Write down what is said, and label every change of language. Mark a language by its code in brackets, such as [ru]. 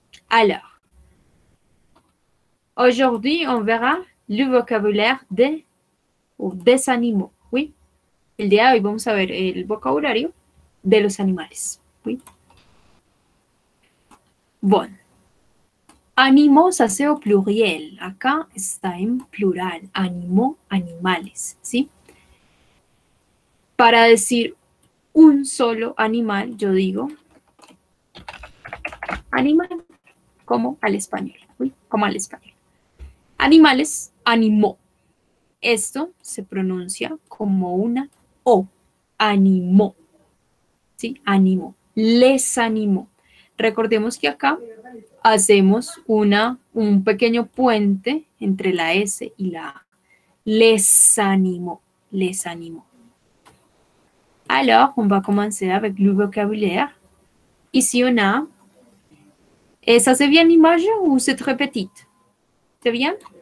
[fr] Alors, aujourd'hui, on verra le vocabulaire des animaux. ¿Oui? [es] El día de hoy vamos a ver el vocabulario de los animales. [fr] ¿Oui? Bon. Animaux, ça c'est au pluriel. [es] Acá está en plural. Animaux, animales. ¿Sí? Para decir un solo animal, yo digo animal, como al español. ¿Oui? Como al español. Animales, animaux. Esto se pronuncia como una O. [fr] Animaux. ¿Sí? Animaux. Les animaux. [es] Recordemos que acá hacemos un pequeño puente entre la S y la A. [fr] Les animaux. Les animaux. Alors, on va commencer avec le vocabulaire. Ici, on a. Et ça, c'est bien l'image ou c'est très petite? C'est bien?